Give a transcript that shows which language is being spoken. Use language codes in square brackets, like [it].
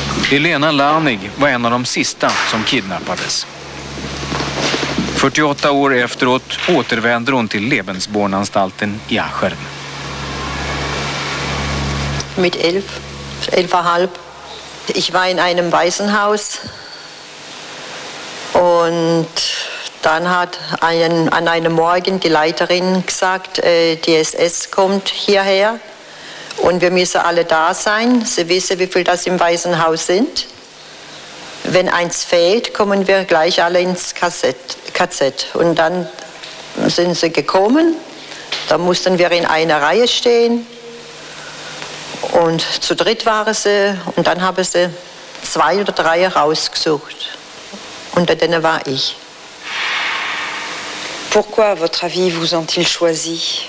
[sv] Helena Lanig var en av de sista som kidnappades. 48 år efteråt återvänder hon till Lebensbornanstalten i Aschern. [de] Mit 11,5. Ich war in einem Waisenhaus. Und dann hat an einem Morgen die Leiterin gesagt, die SS kommt hierher. Und wir müssen alle da sein. Sie wissen, wie viele das im Waisenhaus sind. Wenn eins fehlt, kommen wir gleich alle ins KZ. Und dann sind sie gekommen. Da mussten wir in einer Reihe stehen. Und zu dritt waren sie. Und dann haben sie zwei oder drei rausgesucht. Unter denen war ich. [fr] Pourquoi, à votre avis, vous ont-ils choisi?